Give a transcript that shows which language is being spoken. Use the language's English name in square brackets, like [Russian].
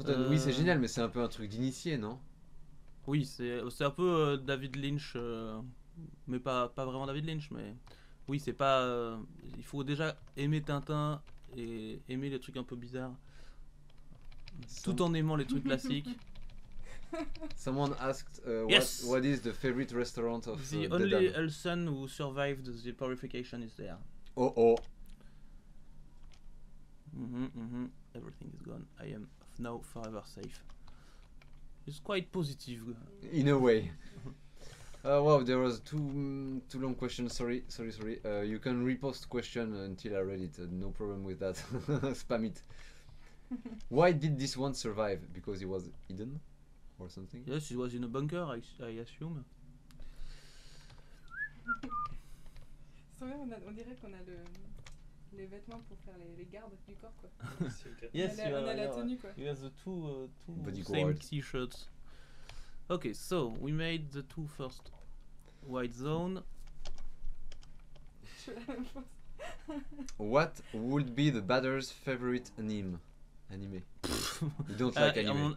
[French] Oui, c'est génial, mais c'est un peu un truc d'initié, non? Oui, c'est un peu David Lynch, mais pas vraiment David Lynch, mais oui, c'est pas. Il faut déjà aimer Tintin et aimer les trucs un peu bizarres, tout en aimant les trucs classiques. [English] Someone asked what is the favorite restaurant of the only Elson who survived the purification is there. Oh oh. Everything is gone. I am now forever safe. It's quite positive. In a way. Wow, there was too long question. Sorry. You can repost question until I read it. No problem with that. Spam it. Why did this one survive? Because it was hidden? Or something? Yes, it was in a bunker, I assume. [French] On dirait qu'on a les vêtements pour faire les gardes du corps, quoi. [English] Yes, [French] on a la tenue, quoi. [English] He has the two same t-shirts. Okay, so we made the two first white zone. What would be the batter's favorite anime? Anime. You don't like anime.